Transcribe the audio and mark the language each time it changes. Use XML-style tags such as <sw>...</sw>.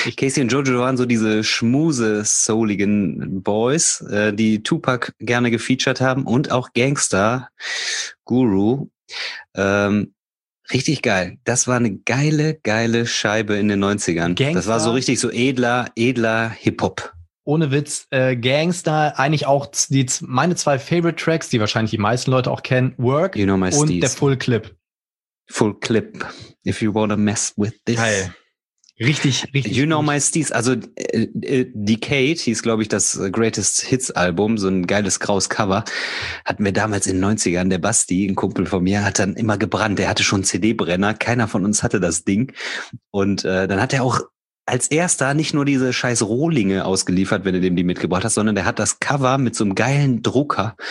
<de>Casey and Jojo waren so diese schmuse-souligen Boys, die Tupac gerne gefeatured haben und auch Gangster, Guru. Richtig geil. Das war eine geile, geile Scheibe in den 90ern. Gangster. Das war so richtig so edler Hip-Hop. Ohne Witz, Gangster, eigentlich auch meine zwei Favorite Tracks, die wahrscheinlich die meisten Leute auch kennen, Work, you know, und der Full Clip.</de> <en>Full Clip, if you wanna mess with this.</en> <de>Geil. Richtig, richtig.</de> <en>You know my Steez,</en> <de>also Decade hieß, glaube ich, das Greatest Hits Album, so ein geiles graues Cover, hatten wir damals in den 90ern. Der Basti, ein Kumpel von mir, hat dann immer gebrannt. Er hatte schon einen CD-Brenner, keiner von uns hatte das Ding. Und dann hat er auch als erster nicht nur diese scheiß Rohlinge ausgeliefert, wenn du dem die mitgebracht hast, sondern der hat das Cover mit so einem geilen Drucker.</de>